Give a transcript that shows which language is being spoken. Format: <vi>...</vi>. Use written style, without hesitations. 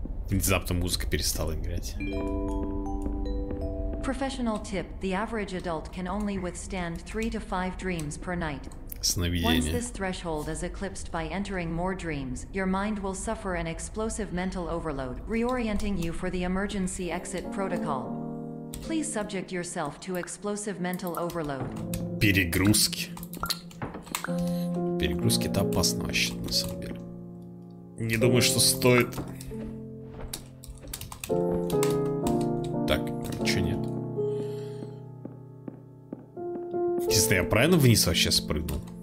<ru>Внезапно музыка перестала играть.</ru> <en>Professional tip: the average adult can only withstand 3 to 5 dreams per night.</en> <ru>Сновидение.</ru> <en>Once this threshold is eclipsed by entering more dreams, your mind will suffer an explosive mental overload, reorienting you for the emergency exit protocol. Please subject yourself to explosive mental overload.</en> <ru>Перегрузки. Перегрузки — это опасно вообще, на самом деле. Не думаю, что стоит. Так, ничего нет. Я правильно вниз вообще спрыгнул?</ru>